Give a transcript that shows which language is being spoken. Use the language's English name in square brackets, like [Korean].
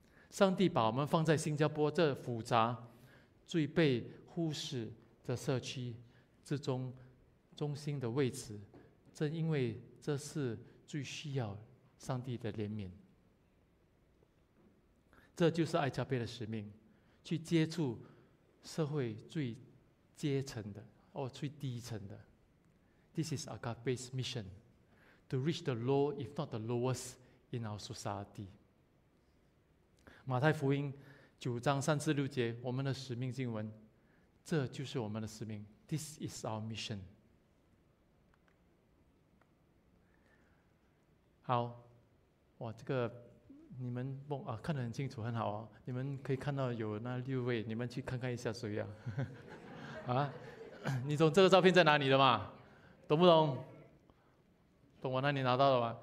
[Chinese] 上帝把我们放在新加坡这复杂最被忽视的社区之中中心的位置，正因为这是最需要上帝的怜悯。这就是爱加贝的使命，去接触社会最阶层的最低层的。 [English] This is Agape's mission, to reach the low if not the lowest in our society. [Chinese] 马太福音九章三至六节，我们的使命经文，这就是我们的使命。 [English] This is our mission. [Chinese] 好，哇，这个你们看得很清楚，很好你们可以看到有那六位，你们去看看一下谁你懂这个照片在哪里的吗？懂不懂？懂我那里拿到的吗？